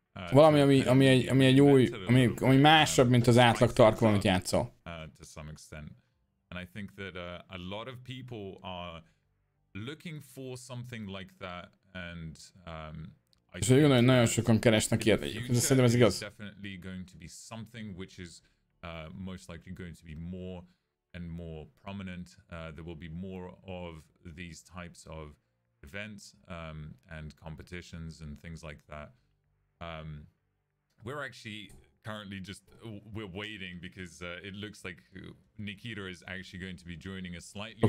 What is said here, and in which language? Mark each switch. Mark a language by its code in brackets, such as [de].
[hu] Valami ami egy új, ami másabb, mint az átlag Tarkov, amit játszol. [en] And I think that a lot of people are looking for something like that, and [hu] nagyon sokan keresnek ilyet, de szerintem ez igaz. [en] Definitely going to be something which is most likely going to be more and more prominent. There will be more of these types of events and competitions and things like that. We're actually currently just we're waiting because it looks like Nikita is actually going to be joining us slightly.